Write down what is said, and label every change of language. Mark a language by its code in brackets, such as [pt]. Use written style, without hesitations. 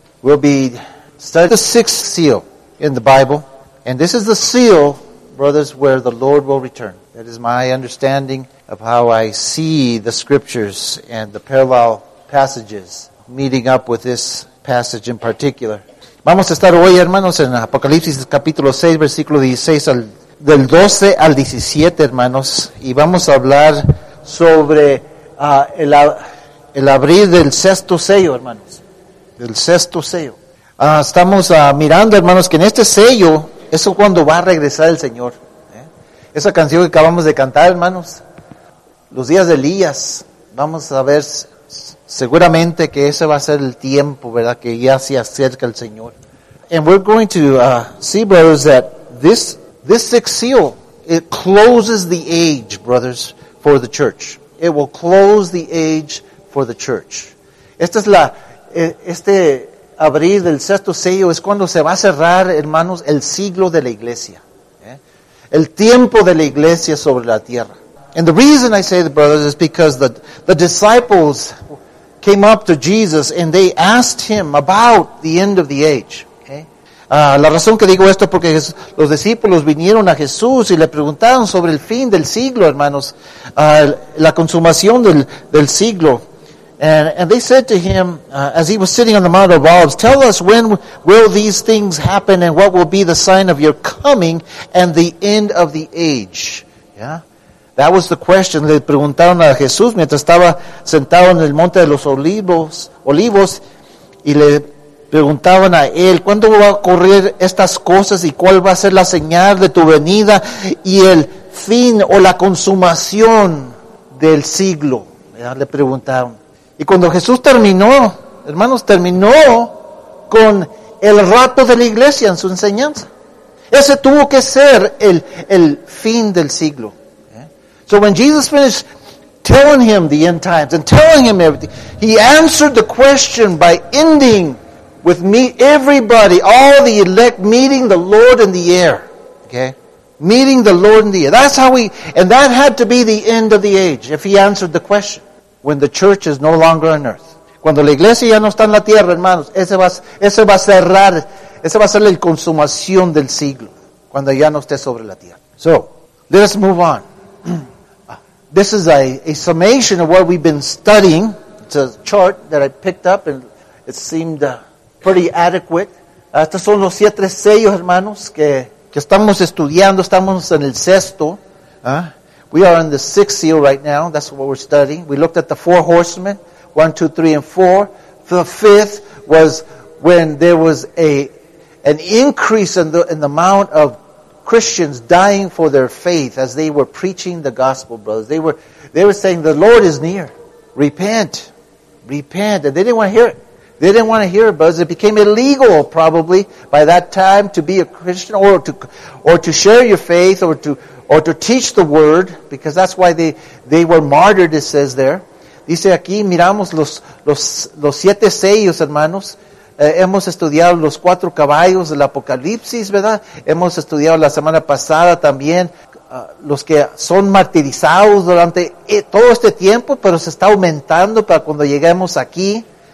[en] We'll be studying the sixth seal in the Bible. And this is the seal, brothers, where the Lord will return. That is my understanding of how I see the scriptures and the parallel passages meeting up with this passage in particular. [es] Vamos a estar hoy, hermanos, en Apocalipsis capítulo 6, versículo 16, del 12 al 17, hermanos. Y vamos a hablar sobre el abrir del sexto sello, hermanos. Del sexto sello. Estamos mirando, hermanos, que en este sello, eso cuando va a regresar el Señor. Esa canción que acabamos de cantar, hermanos, los días de Elías, vamos a ver seguramente que ese va a ser el tiempo, ¿verdad?, que ya se acerca el Señor. [en] And we're going to see, brothers, that this sixth seal, it closes the age, brothers, for the church. It will close the age for the church. [es] Este abrir del sexto sello es cuando se va a cerrar, hermanos, el siglo de la iglesia. El tiempo de la iglesia sobre la tierra. [en] And the reason I say the brothers is because the disciples came up to Jesus and they asked him about the end of the age. [es] La razón que digo esto porque los discípulos vinieron a Jesús y le preguntaron sobre el fin del siglo, hermanos, la consumación del siglo. [en] And they said to him, as he was sitting on the Mount of Olives, tell us when will these things happen and what will be the sign of your coming and the end of the age. Yeah? That was the question. [es] Le preguntaron a Jesús mientras estaba sentado en el Monte de los Olivos y le preguntaban a él, ¿cuándo va a ocurrir estas cosas y cuál va a ser la señal de tu venida y el fin o la consumación del siglo? Yeah? Le preguntaron. Y cuando Jesús terminó, hermanos, terminó con el rato de la iglesia en su enseñanza. Ese tuvo que ser el fin del siglo. [en] So when Jesus finished telling him the end times and telling him everything, he answered the question by ending with everybody, all the elect, meeting the Lord in the air. Okay? Meeting the Lord in the air. That's how and that had to be the end of the age if he answered the question. When the church is no longer on earth. [es] Cuando la iglesia ya no está en la tierra, hermanos, ese va a ser la consumación del siglo, cuando ya no esté sobre la tierra. [en] So, let us move on. This is a summation of what we've been studying. It's a chart that I picked up and it seemed pretty adequate. [es] Estos son los siete sellos, hermanos, que estamos estudiando, estamos en el sexto. [en] We are in the sixth seal right now. That's what we're studying. We looked at the four horsemen, 1, 2, 3, and 4. The fifth was when there was an increase in the amount of Christians dying for their faith as they were preaching the gospel, brothers. They were saying, the Lord is near. Repent. Repent. And they didn't want to hear it. They didn't want to hear it, brothers. It became illegal, probably, by that time to be a Christian or to share your faith or to teach the word, because that's why they were martyred, it says there. [es] Dice aquí, miramos los siete sellos, hermanos. Hemos estudiado los cuatro caballos del Apocalipsis, ¿verdad? Hemos estudiado la semana pasada también los que son martirizados durante todo este tiempo, pero se está aumentando para cuando lleguemos aquí.